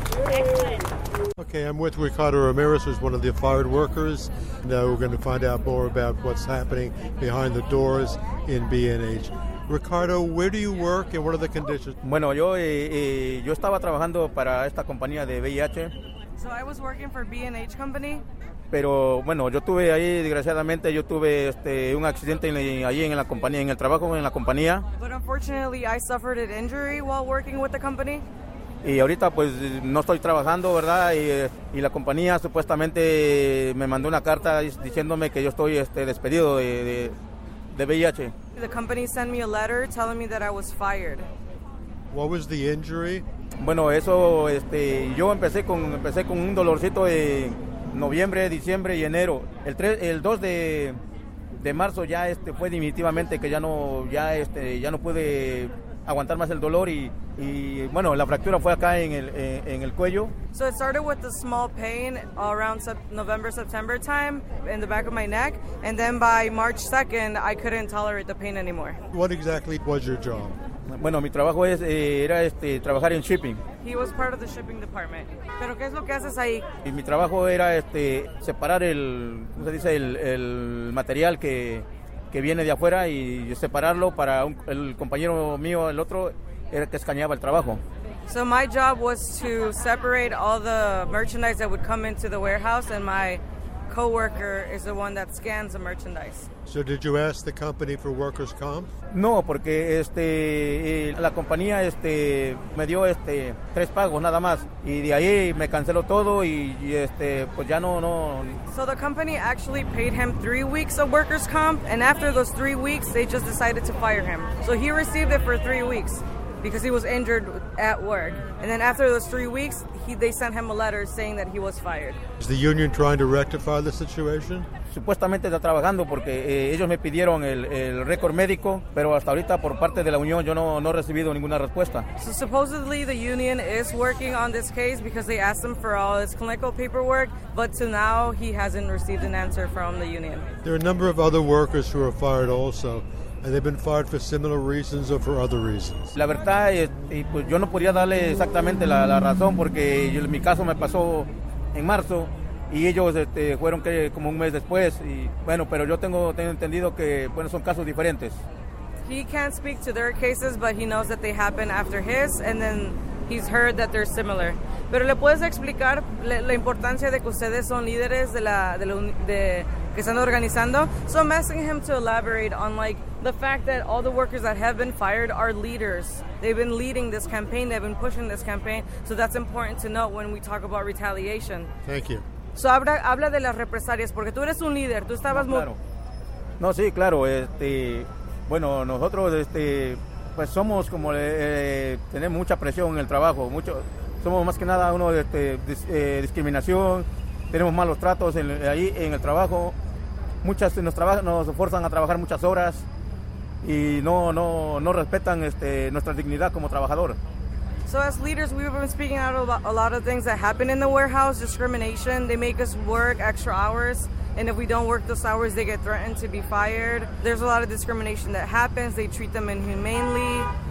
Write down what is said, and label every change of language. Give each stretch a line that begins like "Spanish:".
English: Excellent. Okay, I'm with Ricardo Ramirez, who's one of the fired workers. Now we're going to find out more about what's happening behind the doors in B&H. Ricardo, where do you work and what are the conditions?
Spanish: Bueno, yo estaba trabajando para esta compañía de VIH.
English: So I was working for B&H Company.
Spanish: Pero bueno, yo tuve ahí, desgraciadamente, yo tuve un accidente ahí en la compañía, en el trabajo, en la compañía.
English: But unfortunately, I suffered an injury while working with the company.
Spanish: Y ahorita pues no estoy trabajando, ¿verdad? Y la compañía supuestamente me mandó una carta diciéndome que yo estoy despedido de VIH.
English: The company sent me a letter telling me that I was fired. What was the injury?
Spanish: Bueno, eso yo empecé con un dolorcito de noviembre, diciembre y enero. El 2 de marzo ya fue definitivamente que ya no pude aguantar más el dolor y bueno, la fractura fue acá en el cuello.
English: So it started with a small pain around November, September time in the back of my neck, and then by March 2nd I couldn't tolerate the pain anymore. What exactly was your job?
Spanish: Bueno, mi trabajo era trabajar en shipping.
English: He was part of the shipping department.
Spanish: ¿Pero qué es lo que haces ahí? Y mi trabajo era separar el, ¿cómo se dice? El material que viene de afuera y separarlo para el compañero mío, el otro, era que escaneaba el trabajo.
English: So my job was to separate all the merchandise that would come into the warehouse, and my coworker is the one that scans the merchandise. So did you ask the company for workers' comp?
Spanish: No, porque la compañía me dio tres pagos nada más, y de ahí me canceló todo y pues ya no.
English: So the company actually paid him 3 weeks of workers' comp, and after those 3 weeks, they just decided to fire him. So he received it for 3 weeks because he was injured at work. And then after those 3 weeks, they sent him a letter saying that he was fired. Is the union trying to rectify the situation?
Spanish: Supuestamente está trabajando porque ellos me pidieron el récord médico, pero hasta ahorita por parte de la unión yo no he recibido ninguna respuesta.
English: So supposedly the union is working on this case because they asked him for all his clinical paperwork, but to now he hasn't received an answer from the union. There are a number of other workers who are fired also. And they've been fired for similar reasons or for other reasons.
Spanish: La verdad es pues yo no podía darle exactamente la razón porque mi caso me pasó en marzo y ellos fueron como un mes después y bueno, pero yo tengo entendido que bueno, son casos diferentes.
English: He can't speak to their cases, but he knows that they happen after his, and then he's heard that they're similar.
Spanish: Pero le puedes explicar la importancia de que ustedes son líderes de que están organizando.
English: So I'm asking him to elaborate on the fact that all the workers that have been fired are leaders. They've been leading this campaign, they've been pushing this campaign, so that's important to note when we talk about retaliation. Thank you.
Spanish: So habla de las represalias, porque tú eres un líder, tú estabas... No, claro. No, sí, claro, bueno, nosotros, pues somos como, tenemos mucha presión en el trabajo, somos más que nada uno de discriminación, tenemos malos tratos ahí en el trabajo, muchas nos forzan a trabajar muchas horas, y no respetan nuestra dignidad como trabajador.
English: So as leaders, we've been speaking out about a lot of things that happen in the warehouse. Discrimination, they make us work extra hours, and if we don't work those hours, they get threatened to be fired. There's a lot of discrimination that happens. They treat them inhumanely.